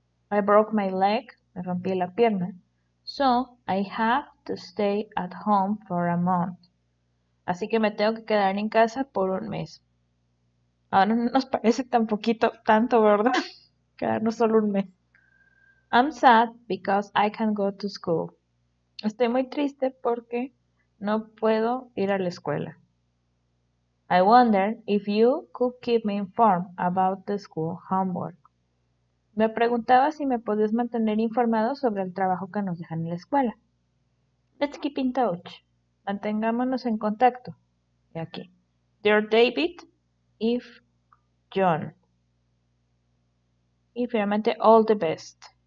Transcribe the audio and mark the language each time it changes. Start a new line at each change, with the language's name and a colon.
English: I broke my leg,
Spanish: me rompí la pierna,
English: so I have to stay at home for a month.
Spanish: Así que me tengo que quedar en casa por un mes. Ahora no nos parece tan poquito, tanto, ¿verdad? No solo un mes.
English: I'm sad because I can't go to school.
Spanish: Estoy muy triste porque no puedo ir a la escuela.
English: I wonder if you could keep me informed about the school homework.
Spanish: Me preguntaba si me podías mantener informado sobre el trabajo que nos dejan en la escuela.
English: Let's keep in touch.
Spanish: Mantengámonos en contacto. Y aquí.
English: Dear David, if John.
Spanish: Y finalmente,
English: all the best.